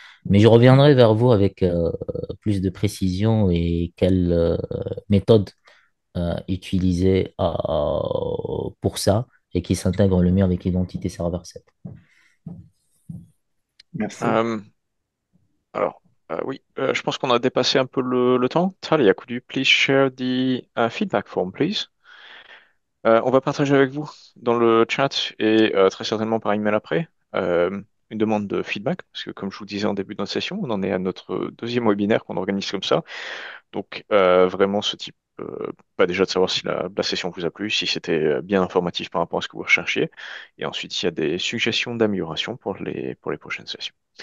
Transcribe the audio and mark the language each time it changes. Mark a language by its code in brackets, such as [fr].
[fr] Mais je reviendrai vers vous avec plus de précision et quelle méthode utiliser pour ça et qui s'intègre le mieux avec l'identité serveur 7. Merci. Oui, je pense qu'on a dépassé un peu le temps. [en] Talia, could you please share the feedback form, please? [fr] On va partager avec vous dans le chat et très certainement par email après une demande de feedback, parce que comme je vous disais en début de notre session, on en est à notre deuxième webinaire qu'on organise comme ça. Donc vraiment ce type, bah déjà de savoir si la session vous a plu, si c'était bien informatif par rapport à ce que vous recherchiez, et ensuite s'il y a des suggestions d'amélioration pour les prochaines sessions.